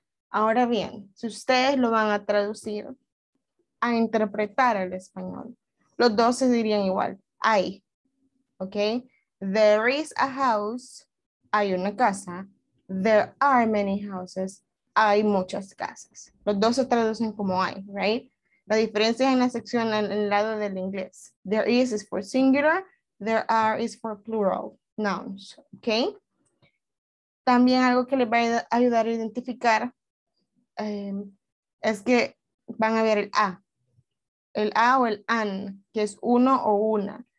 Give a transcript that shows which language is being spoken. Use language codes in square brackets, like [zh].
[es] Ahora bien, si ustedes lo van a traducir a interpretar el español, los dos se dirían igual. Hay. Ok. [en] There is a house. [es] Hay una casa. [en] There are many houses. [es] Hay muchas casas. Los dos se traducen como hay, right? La diferencia es en la sección en el lado del inglés. [en] There is for singular, there are is for plural nouns, okay? [es] También algo que les va a ayudar a identificar es que van a ver el a o el an, que es uno o una.